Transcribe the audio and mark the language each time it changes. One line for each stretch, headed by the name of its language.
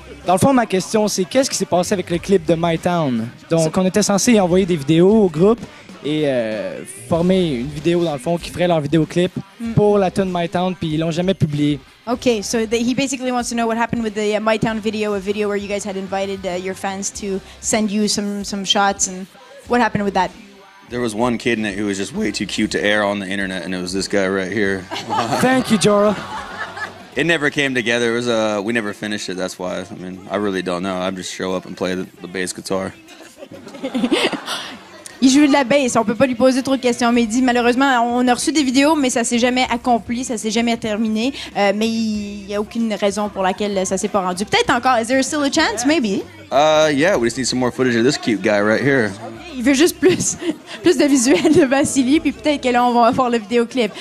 French: Dans le fond, ma question, c'est qu'est-ce qui s'est passé avec le clip de My Town? Donc, on était censé envoyer des vidéos au groupe et former une vidéo, dans le fond, qui ferait leur vidéoclip pour la tune My Town, puis ils l'ont jamais publié.
English: OK, so he basically wants to know what happened with the My Town video, a video where you guys had invited your fans to send you some shots, and what happened with that? There was one kid in it who was just way too cute to air on the internet, and it was this guy right here. Thank you, Jorah. It never came together. It was we never finished it, that's why. I mean, I really don't know. I just show up and play the bass guitar.
French: Il joue de la bass. On peut pas lui poser trop de questions. Mais il dit, malheureusement, on a reçu des vidéos, mais ça s'est jamais accompli, ça s'est jamais terminé. Mais il y a aucune raison pour laquelle ça s'est pas rendu. Peut-être encore.
English: Is there still a chance? Maybe. Yeah, we just need some more footage of this cute guy right here.
French: Il veut juste plus de visuels de Vasily, puis peut-être que là, on va avoir le vidéoclip.